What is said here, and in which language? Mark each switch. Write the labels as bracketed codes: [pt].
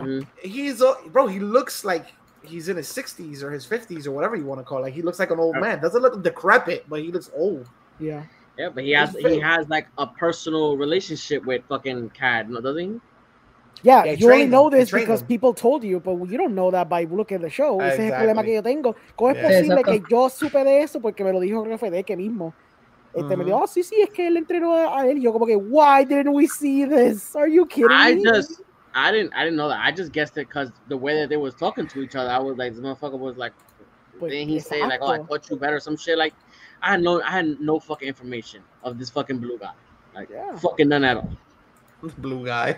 [en] Mm-hmm. He looks like he's in his 60s or his 50s or whatever you want to call it. Like, he looks like an old man. Doesn't look decrepit, but he looks old. Yeah. Yeah, but he has like a personal relationship with fucking Cad, doesn't he? Yeah, you only know this because people told you, but you don't know that by looking at the show. Exactly. [es] Ese es el problema que yo tengo. ¿Cómo es posible que yo supe de eso? Porque me lo dijo Rafael de que mismo. Me dijo, sí, es que él entrenó a él. Y yo como que, [en] why didn't we see this? Are you kidding me? I didn't know that. I just guessed it because the way that they was talking to each other, I was like, this motherfucker was like, then he said, like, oh, I taught you better, some shit. Like, I had no fucking information of this fucking blue guy. Like, fucking none at all. Blue guy.